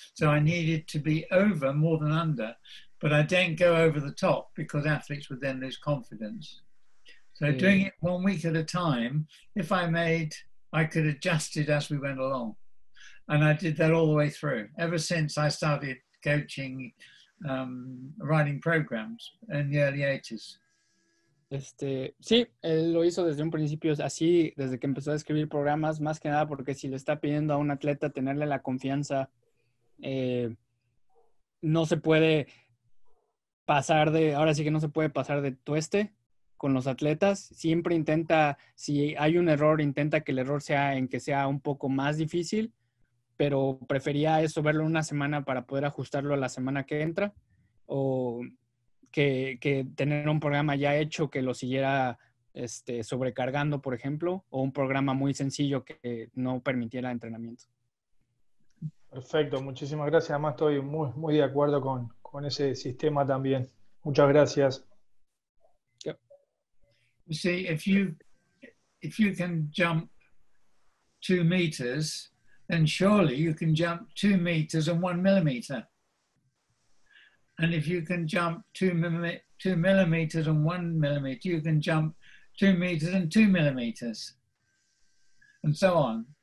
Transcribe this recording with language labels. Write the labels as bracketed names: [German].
[English] So I needed to be over more than under, but I didn't go over the top because athletes would then lose confidence. So yeah, doing it 1 week at a time, if I made, I could adjust it as we went along. And I did that all the way through, ever since I started coaching, writing programs in the early 80s. [Spanish] Sí, él lo hizo desde un principio así, desde que empezó a escribir programas, más que nada porque si le está pidiendo a un atleta tenerle la confianza, no se puede pasar de, ahora sí que no se puede pasar de tueste con los atletas. Siempre intenta, si hay un error, intenta que el error sea en que sea un poco más difícil, pero prefería eso, verlo una semana para poder ajustarlo a la semana que entra, o que tener un programa ya hecho que lo siguiera sobrecargando, por ejemplo, o un programa muy sencillo que no permitiera entrenamiento. Perfecto, muchísimas gracias. Además, estoy muy, muy de acuerdo con ese sistema también. Muchas gracias. [English] Yep. You see, if you can jump 2 meters, then surely you can jump 2 meters and 1 millimeter. And if you can jump 2 millimeters and 1 millimeter, you can jump 2 meters and 2 millimeters, and so on.